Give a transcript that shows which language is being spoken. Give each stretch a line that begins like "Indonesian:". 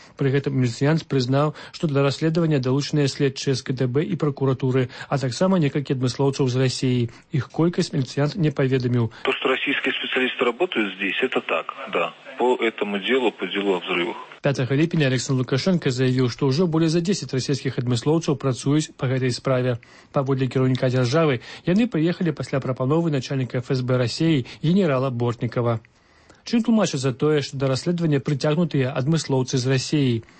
Belarusian: Пры гэтым міліцыянт прызнаў, што для расследавання далучаныя следчыя з КДБ і пракуратуры, а таксама некалькі адмыслоўцаў з Расіі. Іх колькасць міліцыянт не паведаміў. То, што расійскія спецыялісты працуюць тут, гэта так, да.
Russian: По этому делу, по делу о взрывах.
Belarusian: 5 ліпеня Александр Лукашенко заявіў, што ўжо болей за 10 расійскіх адмыслоўцаў працуюць па гэтай справе. Паводле кіраўніка дзяржавы, яны прыехалі пасля прапановы начальніка ФСБ Расіі генерала Бортнікава. Чым тлумачыцца за тое, што да расследавання прыцягнутыя адмыслоўцы з Расіі?